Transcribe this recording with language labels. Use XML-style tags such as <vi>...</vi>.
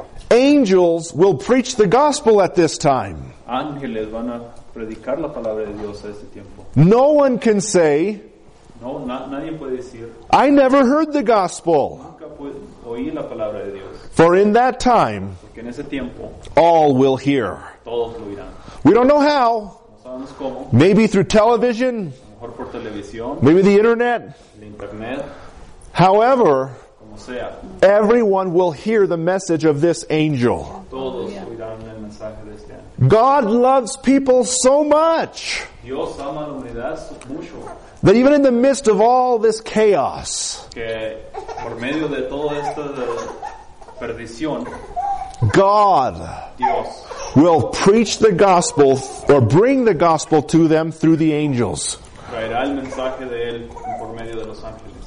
<en>Angels will preach the gospel at this time.</en> <es>Ángeles van a predicar la palabra de Dios a este tiempo.</es> <en>No one can say,</en> <es>no, nadie puede decir,</es> <en>I never heard the gospel.</en> <es>Nunca puedo oír la palabra de Dios.</es> <en>For in that time,</en> <es>porque en ese tiempo,</es> <en>all will hear.</en> <es>Todos lo oirán.</es> <en>We don't know how.</en> <es>No sabemos cómo.</es> <en>Maybe through television.</en> <es>A lo mejor por televisión.</es> <en>Maybe the internet.</en> <es>El internet.</es> <en>However,</en> <es>sea,</es> <en>everyone will hear the message of this angel.</en> <es>Todos oirán el mensaje de este ángel.</es> <en>God loves people so much,</en> <es>Dios ama la humanidad mucho,</es> <en>that even in the midst of all this chaos,</en> <es>que por medio de todo esto de perdición,</es> <en>God,</en> <es>Dios,</es> <en>will preach the gospel or bring the gospel to them through the angels.</en> <es>Traerá el mensaje de él por medio de los ángeles.</es>